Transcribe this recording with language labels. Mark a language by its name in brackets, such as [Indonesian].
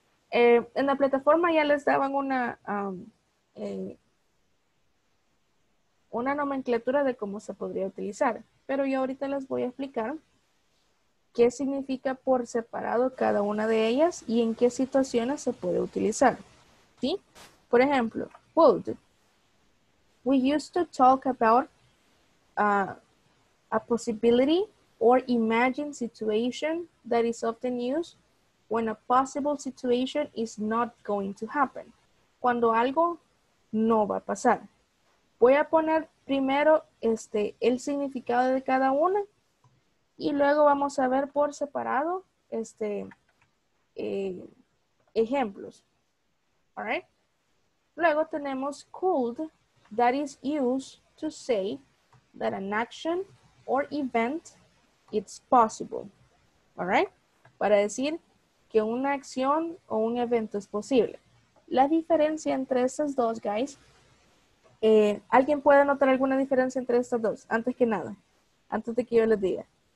[Spanish] En la plataforma ya les daban una nomenclatura de cómo se podría utilizar. Pero yo ahorita les voy a explicar qué significa por separado cada una de ellas y en qué situaciones se puede utilizar. ¿Sí? Por ejemplo, would. [English] We used to talk about a possibility or imagined situation that is often used when a possible situation is not going to happen. [Spanish] Cuando algo no va a pasar. Voy a poner primero el significado de cada una y luego vamos a ver por separado ejemplos. [English] All right? Luego tenemos could, that is used to say that an action or event is possible. All right? [Spanish] Para decir que una acción o un evento es posible. La diferencia entre estas dos, guys. ¿Alguien puede notar alguna diferencia entre estas dos? Antes que nada. Antes de que yo les diga.